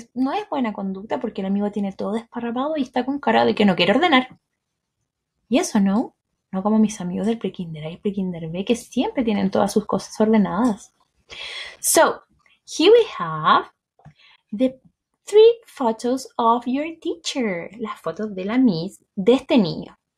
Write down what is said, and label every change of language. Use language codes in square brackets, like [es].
[es] No es buena conducta porque el amigo tiene todo desparramado y está con cara de que no quiere ordenar. [en] Yes or no? [es] No como mis amigos del prekinder A y prekinder B que siempre tienen todas sus cosas ordenadas. [en] So, here we have the three photos of your teacher. [es] Las fotos de la miss de este niño.